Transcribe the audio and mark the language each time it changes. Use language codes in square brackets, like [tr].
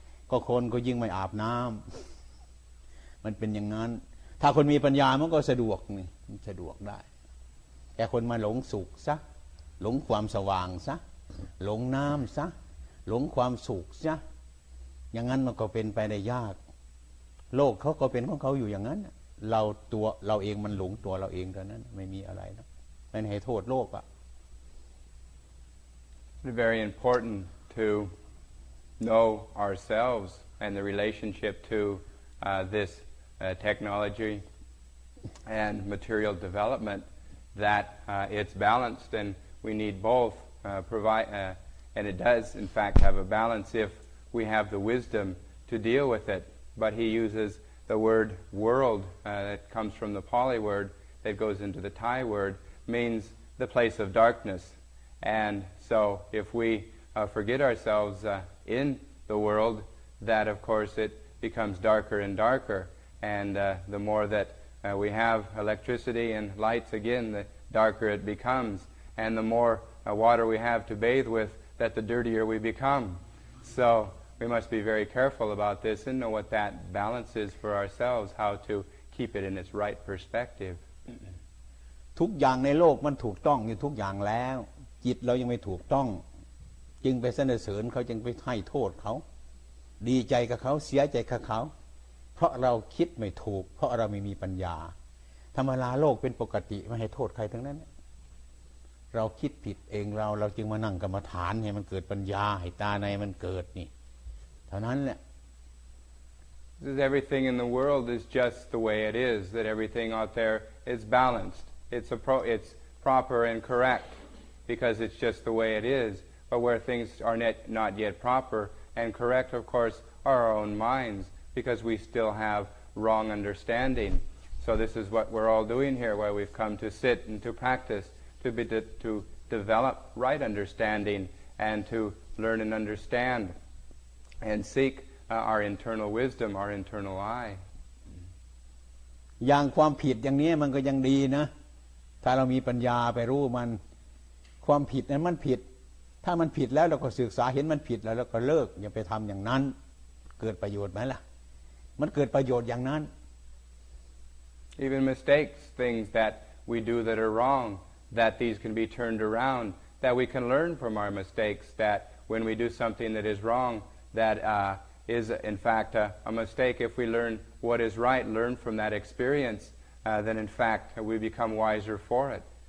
[th] ก็คนก็ยิ่งไม่อาบน้ำมันเป็นอย่างนั้นถ้าคนมีปัญญามันก็สะดวกนี่สะดวกได้แต่คนมาหลงสุขซะหลงความสว่างซะหลงน้ำซะหลงความสุขซะอย่างนั้นมันก็เป็นไปได้ยากโลกเขาก็เป็นของเขาอยู่อย่างนั้นเราตัวเราเองมันหลงตัวเราเองเท่านั้นไม่มีอะไรนะมันให้โทษโลกอ่ะ [en] It's very important to know ourselves and the relationship to this technology and material development that it's balanced and we need both provide and it does in fact have a balance if we have the wisdom to deal with itBut he uses the word world that comes from the Pali word that goes into the Thai word means the place of darkness. And so if we forget ourselves in the world, that of course it becomes darker and darker. And the more that we have electricity and lights again, the darker it becomes. And the more water we have to bathe with, that the dirtier we become. So,We must be very careful about this and know what that balance is for ourselves, how to keep it in its right perspective. [th] ทุกอย่างในโลกมันถูกต้องอยู่ทุกอย่างแล้วจิตเรายังไม่ถูกต้องจึงไปสรรเสริญเขาจึงไปให้โทษเขาดีใจกับเขาเสียใจกับเขาเพราะเราคิดไม่ถูกเพราะเราไม่มีปัญญาธรรมดาโลกเป็นปกติไม่ให้โทษใครทั้งนั้นเราคิดผิดเองเราจึงมานั่งกรรมฐานให้มันเกิดปัญญาให้ตาในมันเกิดนี่ [en] This is everything in the world is just the way it is, that everything out there is balanced. It's proper and correct because it's just the way it is. But where things are not yet proper and correct, of course, are our own minds because we still have wrong understanding. So this is what we're all doing here, where we've come to sit and to practice, to develop right understanding and to learn and understand. And seek our internal wisdom, our internal eye. [th] อย่างความผิดอย่างนี้มันก็ยังดีนะถ้าเรามีปัญญาไปรู้มันความผิดนั้นมันผิดถ้ามันผิดแล้วเราก็ศึกษาเห็นมันผิดแล้วเราก็เลิกอย่าไปทำอย่างนั้นเกิดประโยชน์ไหมล่ะมันเกิดประโยชน์อย่างนั้น [en] Even mistakes, things that we do that are wrong, that these can be turned around, that we can learn from our mistakes, that when we do something that is wrong. That is, in fact, a mistake. If we learn what is right, learn from that experience, then, in fact, we become wiser for it.